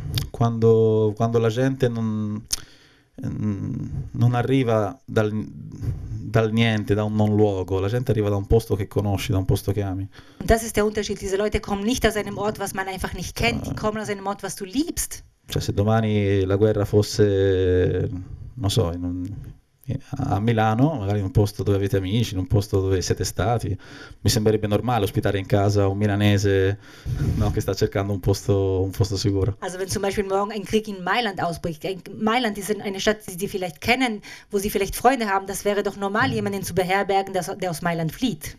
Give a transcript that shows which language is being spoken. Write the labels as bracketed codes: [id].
[it] Quando la gente non arriva dal niente, da un non luogo, la gente arriva da un posto che conosci, da un posto che ami. [de] Und das ist der Unterschied, diese Leute kommen nicht aus einem Ort, was man einfach nicht kennt, die kommen aus einem Ort, was du liebst. [it] Cioè se domani la guerra fosse, non so, a Milano, magari in un posto dove avete amici, in un posto dove siete stati, mi sembrerebbe normale ospitare in casa un milanese, no, che sta cercando un posto sicuro. [de] Also wenn zum Beispiel morgen ein Krieg in Mailand ausbricht, Mailand ist eine Stadt, die Sie vielleicht kennen, wo Sie vielleicht Freunde haben, das wäre doch normal, jemanden zu beherbergen, der aus Mailand flieht.